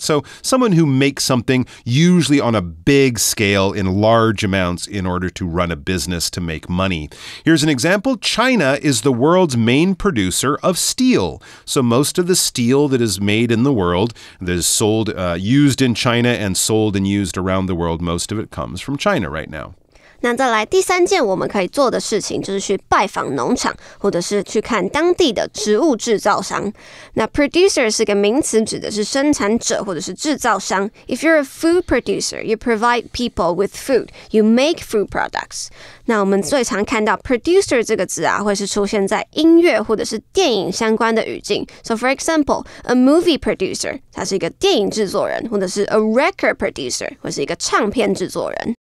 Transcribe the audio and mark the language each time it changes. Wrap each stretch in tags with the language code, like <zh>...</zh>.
<en>So someone who makes something usually on a big scale in large amounts in order to run a business to make money. Here's an example. China is the world's main producer of steel. So most of the steel that is made in the world, that is sold, used in China and sold and used around the world, most of it comes from China right now.</en> <zh>那再来第三件我们可以做的事情就是去拜访农场或者是去看当地的植物制造商。那 producer 是个名词指的是生产者或者是制造商。</zh> <en>If you're a food producer, you provide people with food, you make food products.</en> <zh>那我们最常看到 producer 这个字啊会是出现在音乐或者是电影相关的语境。</zh> <en>So for example, a movie producer,</en> <zh>它是一个电影制作人或者是</zh> <en>a record producer,</en> <zh>或是一个唱片制作人。</zh>